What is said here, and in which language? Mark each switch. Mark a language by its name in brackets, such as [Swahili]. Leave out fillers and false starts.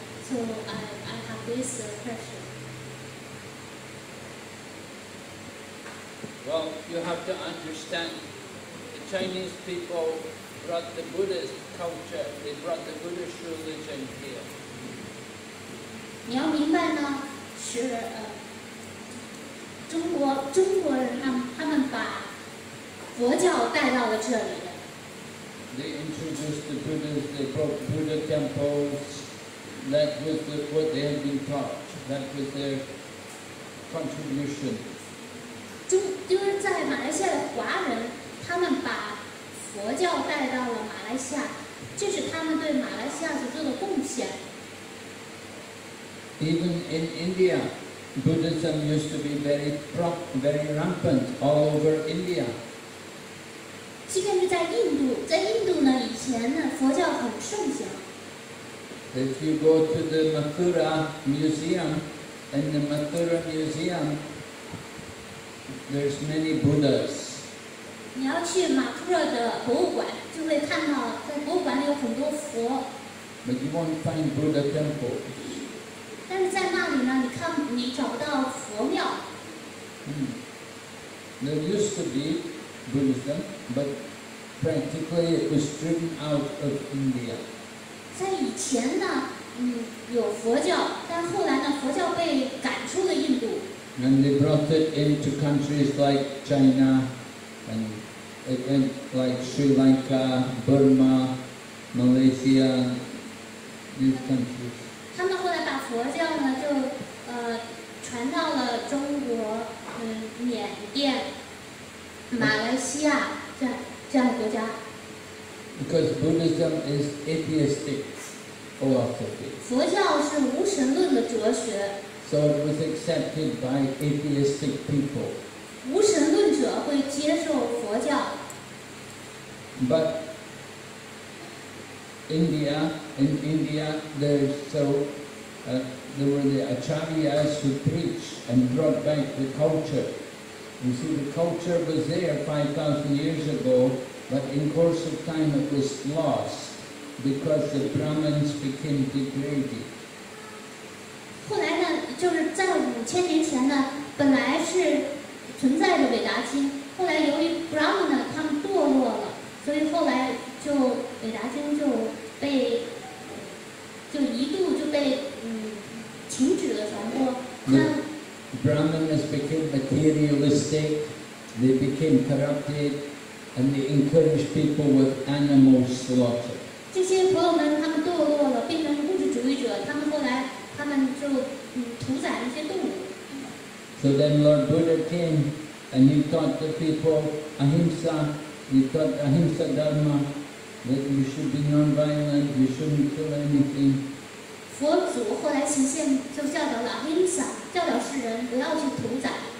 [English] So I have this question. Well, you have to understand the Chinese people brought the Buddhist culture, they brought the Buddhist religion here. [Chinese] 你要明白呢，是中国人他们把佛教带到了这里的。 [English] They introduced the Buddhists. They brought Buddha temples. That was what they had been taught. That was their contribution. [Chinese] 就是在马来西亚的华人，他们把佛教带到了马来西亚，这是他们对马来西亚所做的贡献。 [English] Even in India, Buddhism used to be very rampant all over India. [Chinese] 即便是在印度呢，以前呢，佛教很盛行。 [English] If you go to the Mathura Museum, in the Mathura Museum, there's many Buddhas. [Chinese] 你要去马普热的博物馆，就就会看到在博物馆里有很多佛。 [English] But you won't find Buddha temple. [Chinese] 但是在那里呢，你看你找不到佛庙。 [English] There used to be Buddhism, but practically it was driven out of India. [Chinese] 在以前呢，有佛教，但后来呢，佛教被赶出了印度。 [English] And they brought it into countries like China and again like Sri Lanka, Burma, Malaysia, these countries. [Chinese] 他们后来把佛教呢就传到了中国，缅甸、马来西亚这样的国家。 [English] Because Buddhism is atheistic philosophy. [Chinese] 佛教是无神论的哲学。 [English] So it was accepted by atheistic people. [Chinese] 无神论者会接受佛教。 [English] But in India, there were the acharyas who preached and brought back the culture. You see, the culture was there 5,000 years ago, but in course of time it was lost because the Brahmins became degraded. [Chinese] 就是在5000年前呢，本来是存在着韦达经，后来由于 Brahmana 他们堕落了，所以后来就韦达经就一度被停止了传播。 [English] Brahmanas became materialistic, they became corrupted, and they encouraged people with animal slaughter. [Chinese] 这些朋友们他们堕落了，变成物质主义者，他们后来就屠宰一些动物。 [English] So then Lord Buddha came and he taught the people ahimsa. He taught ahimsa dharma that you should be non-violent, you shouldn't kill anything. [Chinese] 佛祖后来显现就教导了 ahimsa, 教导世人不要去屠宰。